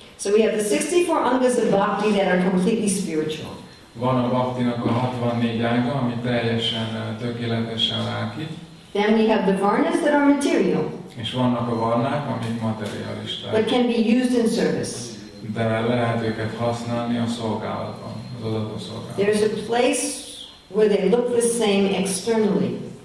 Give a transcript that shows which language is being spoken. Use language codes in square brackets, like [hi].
[en] So we have the 64 angas of bhakti that are completely spiritual. [hu] Van a bhaktinak a 64 ága, ami teljesen tökéletesen lelki. [en] Then we have the varnas that are material. [hu] És vannak a varnák, amik materialisták. [en] But can be used in service. [hu] De lehet őket használni a szolgálatban, az adatos szolgálatban. [en] There's a place where they look the same externally.